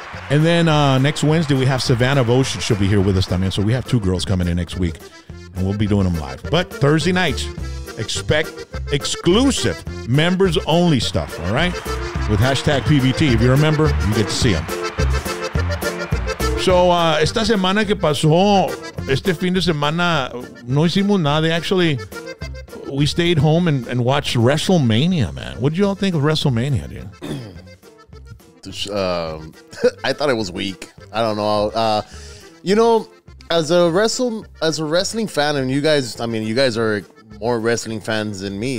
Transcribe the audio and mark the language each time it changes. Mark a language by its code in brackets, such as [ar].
[en] And then next Wednesday, we have Savannah Ocean. She'll be here with us [es] también. [en] So we have 2 girls coming in next week, and we'll be doing them live. But Thursday nights, expect exclusive members-only stuff, all right? With hashtag PVT. If you're a member, you get to see them. [es] So esta semana que pasó, este fin de semana, no hicimos nada. [en] Actually, we stayed home and watched WrestleMania, man. What did you all think of WrestleMania, dude? I thought it was weak. I don't know. You know, as a wrestling fan, and you guys, I mean, you guys are more wrestling fans than me.